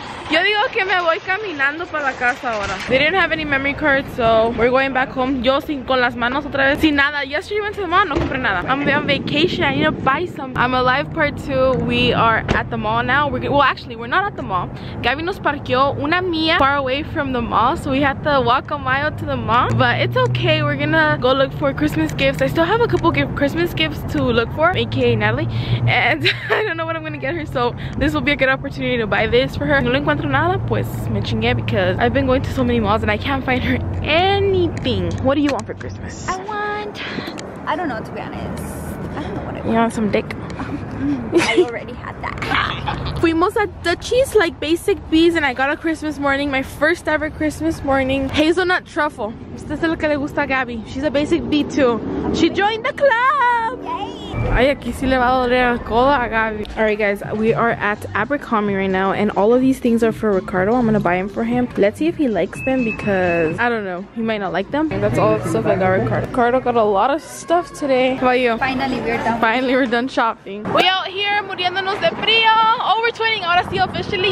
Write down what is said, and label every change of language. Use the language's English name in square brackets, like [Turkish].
[Spanish] Yo digo que me voy caminando para la casa ahora. [English] They didn't have any memory cards, so we're going back home. [Spanish] Yo sin con las manos otra vez. Sin nada. [English] Yesterday went to the mall, [Spanish] no compré nada. [English] I'm on vacation, I need to buy something. I'm alive part 2. We are at the mall now. We're not at the mall. Gabby [Spanish] nos parqueó una mía [English] far away from the mall, so we had to walk a mile to the mall. But it's okay, we're gonna go look for Christmas gifts. I still have a couple Christmas gifts to look for, aka Natalie. And I don't know what I'm gonna get her, so this will be a good opportunity to buy this for her. [Spanish] Nada, pues me chingue [English] because I've been going to so many malls and I can't find her anything. What do you want for Christmas? I don't know, to be honest. I don't know what I want. You want some dick? I already had that. [Spanish] Fuimos a [English] Dutchies, like basic bees, and I got a Christmas morning, my first ever Christmas morning. Hazelnut truffle. [Spanish] Este es lo que le gusta a Gabby. [English] She's a basic bee too. She joined the club! Yay! [Spanish] Ay, aquí sí le va a doler la cola a Gabby. [English] Alright guys, we are at Abercrombie right now, and all of these things are for Ricardo. I'm gonna buy them for him. Let's see if he likes them, because I don't know, he might not like them. And that's all the stuff I got Ricardo. Ricardo got a lot of stuff today. How about you? Finally we're done shopping. We out here [Spanish] muriéndonos de frío. [English] Overtwinning, [Spanish] ahora sí [English] officially.